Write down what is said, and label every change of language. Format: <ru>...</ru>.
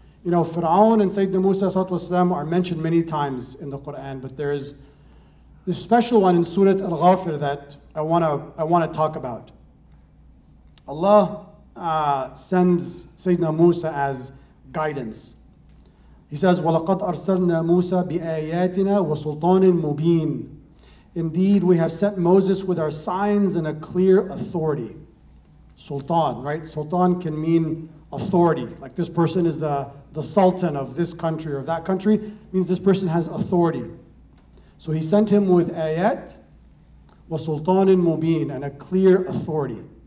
<en>You know, Fir'aun and Sayyidina Musa والسلام, are mentioned many times in the Quran, but there is this special one in Surah Al-Ghafir that I wanna talk about. Allah sends Sayyidina Musa as guidance. He says,</en> <ar>وَلَقَدْ أَرْسَلْنَا مُوسَى بِآيَاتِنَا وَسُلْطَانٍ مُبِينٍ.</ar> <en>Indeed, we have sent Moses with our signs and a clear authority. Sultan, right? Sultan can mean authority. Like, this person is the sultan of this country or that country. Means this person has authority. So he sent him with</en> <ar>ayat wa sultanin mubin,</ar> <en>and a clear authority.</en>